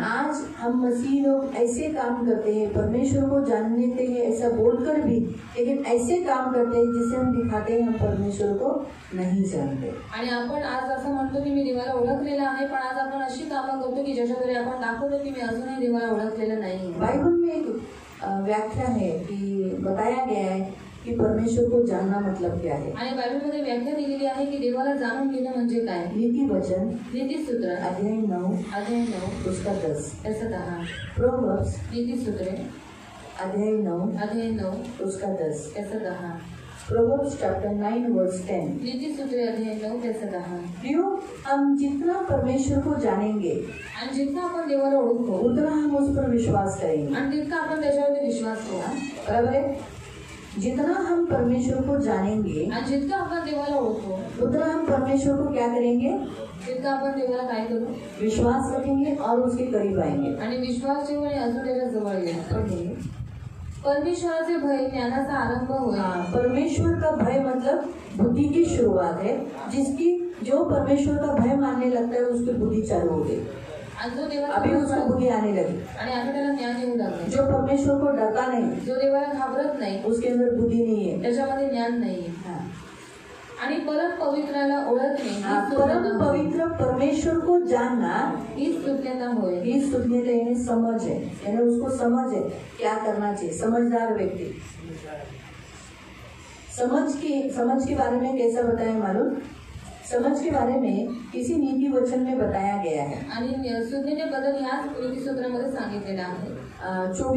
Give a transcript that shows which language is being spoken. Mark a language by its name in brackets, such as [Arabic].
[Hindi] आज हम मसीह लोग ऐसे काम करते हैं, परमेश्वर को जानते हैं ऐसा बोलकर भी, लेकिन ऐसे काम करते हैं जिसे हम दिखाते हैं हम परमेश्वर को नहीं जानते। [Marathi] अपन आज ऐसा मन तो मैं देवाला ओळखलेला आहे, पण आज अपन अशी काम करतो की जशा तरी अपन दाखवतो की मैं अजूनही देवाला ओळखलेला नाही। [Hindi] बाइबल में एक व्याख्या है कि बताया गया है कि परमेश्वर को जानना मतलब क्या है। [Marathi] आणि बाइबल मध्ये व्याख्या दिलेली आहे की देवाला जाणून घेणे म्हणजे काय। [Hindi] नीति वचन नीति सूत्र अध्याय 9 अध्याय 9 पुस्तक 10 ऐसा कहा। [English] proverbs [Hindi] नीति सूत्र अध्याय 9 अध्याय 9 पुस्तक 10 ऐसा कहा। [English] proverbs chapter 9 verse 10 [Hindi] नीति सूत्र अध्याय 9 ऐसा कहा। क्यों हम जितना परमेश्वर को जानेंगे [Marathi] आणि जितना आपण देवाला ओळखतो [Hindi] उतना हम उस पर विश्वास करेंगे [Marathi] आणि जितका आपण त्याच्यावर विश्वास ठेवा। बरोबर आहे। [Hindi] जितना हम परमेश्वर को जानेंगे [Marathi] जितना अपन देवाला ओळखतो [Hindi] उतना हम परमेश्वर को क्या करेंगे [Marathi] जितना अपन देवाला काय करू [Hindi] विश्वास रखेंगे और उसके करीब आएंगे [Marathi] आणि विश्वास ठेवणे अजून त्याच्या जवळ येईल। परमेश्वराचे भय ज्ञानाचा आरंभ होय। [Hindi] परमेश्वर का भय मतलब बुद्धि की शुरुआत है, जिसकी जो परमेश्वर का भय मानने लगता है उसकी बुद्धि चालू हो गई। अभी उसको बुद्धि आने लगी [Marathi] आणि आता त्याला ज्ञान येऊ लागले। [Hindi] जो परमेश्वर को डरता नहीं [Marathi] जो देवाला घाबरत नहीं [Hindi] उसके अंदर बुद्धि नहीं है [Marathi] त्याच्यामध्ये ज्ञान [Hindi] नहीं है। [Marathi] आणि परम पवित्राला ओळखणे [Hindi] परम पवित्र परमेश्वर को जानना [Marathi] ही स्तुत्यता होय। [Hindi] ही स्तुत्यता यानी समझ है, यानी उसको समझ है क्या करना चाहिए। समझदार व्यक्ति समझ के बारे में कैसा बताए मालूम। समझ के बारे में किसी नीति वचन में बताया गया है [Marathi] आणि सुज्ञेने बदल या नीति सूत्रामध्ये सांगितलेला आहे।